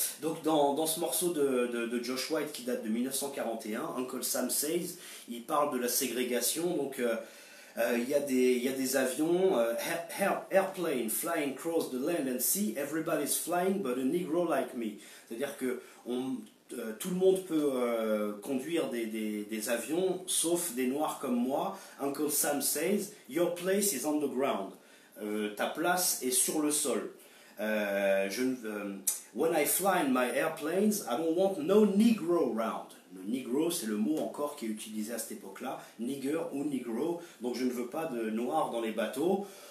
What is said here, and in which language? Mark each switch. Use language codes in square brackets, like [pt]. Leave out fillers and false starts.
[fr] Donc dans ce morceau de Josh White qui date de 1941, Uncle Sam Says, il parle de la ségrégation, donc... Il y a des avions, [en] airplane flying across the land and sea, everybody's flying but a negro like me. [fr] C'est-à-dire que tout le monde peut conduire des avions sauf des noirs comme moi. [en] Uncle Sam says, your place is on the ground. [fr] Ta place est sur le sol. [en] When I fly in my airplanes, I don't want no negro round. [fr] Le negro, c'est le mot encore qui est utilisé à cette époque-là, nigger ou negro, donc je ne veux pas de noir dans les bateaux.